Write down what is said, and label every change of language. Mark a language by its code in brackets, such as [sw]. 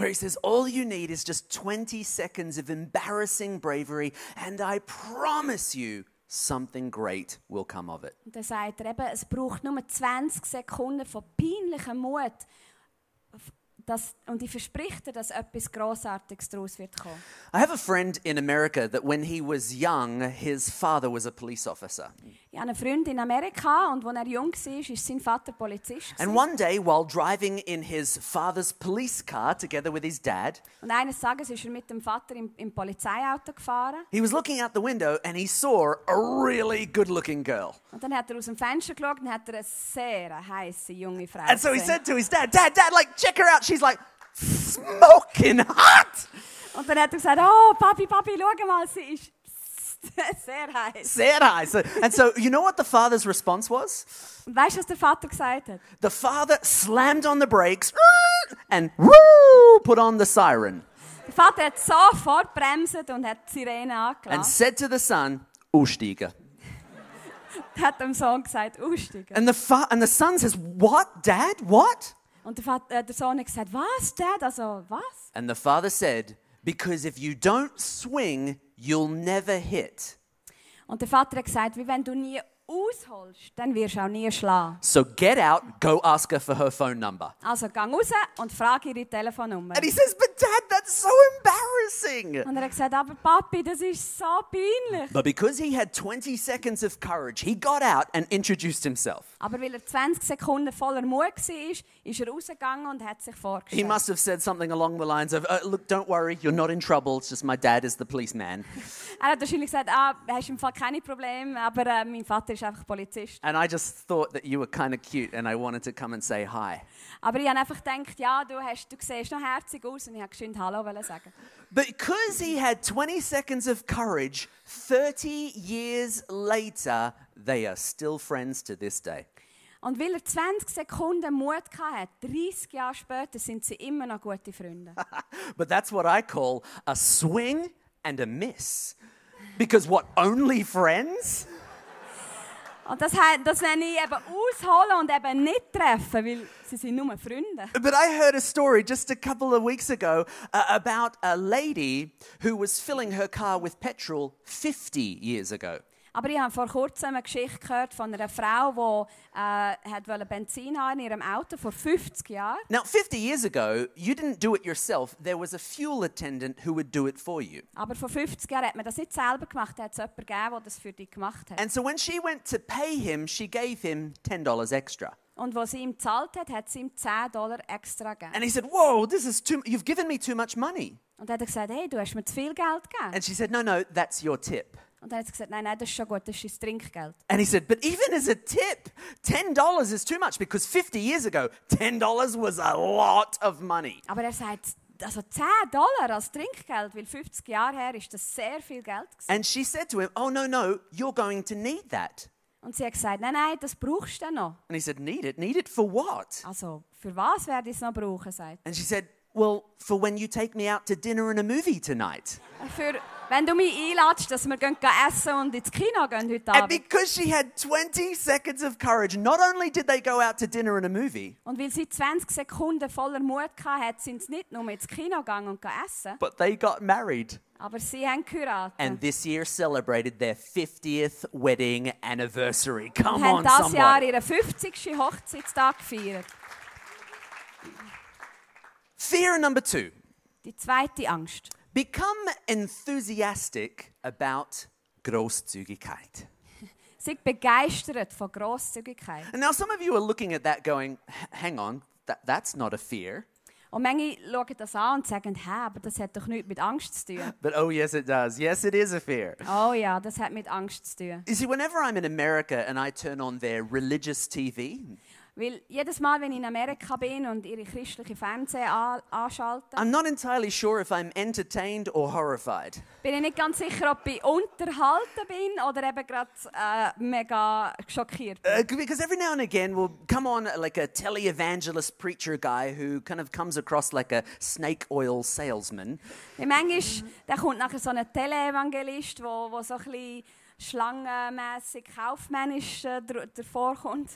[en] Where he says, all you need is just 20 seconds of embarrassing bravery and I promise you, something great will come of it. [de] Und dann sagt er eben, es braucht nur 20 Sekunden von peinlichem Mut, das, und ich verspreche dir, dass etwas Grossartiges daraus wird kommen. [en] I have a friend in America that when he was young, his father was a police officer. [de] Ich habe einen Freund in Amerika und als er jung war, ist sein Vater Polizist. [en] And one day, while driving in his father's police car together with his dad, [de] und eines Tages ist er mit dem Vater im Polizeiauto gefahren. [en] He was looking out the window and he saw a really good-looking girl. [de] Und dann hat er aus dem Fenster geschaut und hat er eine sehr heisse junge Frau gesehen. [en] And so he said to his dad, like, check her out. She's like, smoking hot. [de] Und dann hat er gesagt, oh, Papi, schau mal, sie ist sehr heiß. Sehr heiß. [en] And so, you know what the father's response was? [de] Weißt du, was der Vater gesagt hat? [en] The father slammed on the brakes and woo, put on the siren. [de] Der Vater hat sofort bremset und hat die Sirene angelassen. [en] And said to the son, [de] aussteigen. Hat dem Sohn gesagt, aussteigen. [en] And the son says, what, dad, what? [de] Und der Vater, der Sohn hat gesagt, was, dad, also was? [en] And the father said, because if you don't swing, you'll never hit. [de] Und der Vater hat gesagt, wie wenn du nie ausholst, dann wirst du auch nie schlagen. [en] So get out, go ask her for her phone number. [de] Also gang raus und frag ihre Telefonnummer. [en] And he says, but dad, that's so embarrassing. [de] Und er hat gesagt, aber Papi, das ist so peinlich. [en] But because he had 20 seconds of courage, he got out and introduced himself. [de] Aber weil er 20 Sekunden voller Mut war, ist er rausgegangen und hat sich vorgestellt. [en] He must have said something along the lines of, look, don't worry, you're not in trouble, it's just my dad is the policeman. [de] Er hat wahrscheinlich gesagt, ah, hast im Fall keine Probleme, aber mein Vater bist einfach Polizist. [en] And I just thought that you were kind of cute and I wanted to come and say hi. [de] Aber ich habe einfach gedacht, ja, du siehst noch herzig aus und ich habe geschwind Hallo wollen sagen. [en] Because he had 20 seconds of courage, 30 years later, they are still friends to this day. [de] Und weil er 20 Sekunden Mut hatte, 30 Jahre später sind sie immer noch gute Freunde. [en] But that's what I call a swing and a miss. Because what, only friends? [de] Und das nenne ich eben ausholen und eben nicht treffen, weil sie sind nur Freunde. [en] But I heard a story just a couple of weeks ago about a lady who was filling her car with petrol 50 years ago. [de] Aber ich habe vor kurzem eine Geschichte gehört von einer Frau, die hat wollte Benzin haben in ihrem Auto vor 50 Jahren. [en] Now, 50 years ago, you didn't do it yourself. There was a fuel attendant who would do it for you. [de] Aber vor 50 Jahren hat man das nicht selber gemacht. Da hat es jemanden gegeben, der das für dich gemacht hat. [en] And so when she went to pay him, she gave him $10 extra. [de] Und was sie ihm zahlt hat sie ihm $10 extra gegeben. [en] And he said, whoa, this is too. You've given me too much money. [de] Und hat er gesagt, hey, du hast mir zu viel Geld gegeben. [en] And she said, no, that's your tip. [de] Und dann hat sie gesagt, nein, das ist schon gut, das ist dein Trinkgeld. [en] And he said, but even as a tip, $10 is too much, because 50 years ago, $10 was a lot of money. [de] Aber er sagt, also $10 als Trinkgeld, weil 50 Jahre her ist das sehr viel Geld gewesen. [en] And she said to him, oh no, you're going to need that. [de] Und sie hat gesagt, nein, das brauchst du noch. [en] And he said, need it for what? [de] Also, für was werde ich es noch brauchen, sagt. [en] And she said, well, for when you take me out to dinner and a movie tonight. [de] Für wenn du mich einladest, dass wir gehen essen und ins Kino gehen heute Abend. [en] And because she had 20 seconds of courage, not only did they go out to dinner and a movie. [de] Und weil sie 20 Sekunden voller Mut hatte, sind sie nicht nur ins Kino gegangen und essen. [en] But they got married. [de] Aber sie haben geheiratet. [en] And this year celebrated their 50th wedding anniversary. Come [de] und [en] on, somebody. [de] Und haben dieses Jahr ihren 50. Hochzeitstag gefeiert. [en] Fear number two. [de] Die zweite Angst. [en] Become enthusiastic about Grosszügigkeit. [de] Sei begeistert von Grosszügigkeit. [en] And now some of you are looking at that going, hang on, that's not a fear. [de] Und manche schauen das an und sagen, hä, aber das hat doch nichts mit Angst zu tun. [en] But oh yes it does. Yes it is a fear. [de] Oh ja, das hat mit Angst zu tun. [en] You see, whenever I'm in America and I turn on their religious TV, [de] weil jedes Mal, wenn ich in Amerika bin und ihre christliche Fernseher anschalte, [en] I'm not entirely sure if I'm entertained or horrified. [de] Bin ich nicht ganz sicher, ob ich unterhalten bin oder eben gerade mega schockiert. [en] Because every now and again will come on like a televangelist preacher guy who kind of comes across like a snake oil salesman. [de] Manchmal der kommt nachher so ein Televangelist, wo so ein bisschen schlangenmässig, kaufmännisch davor kommt.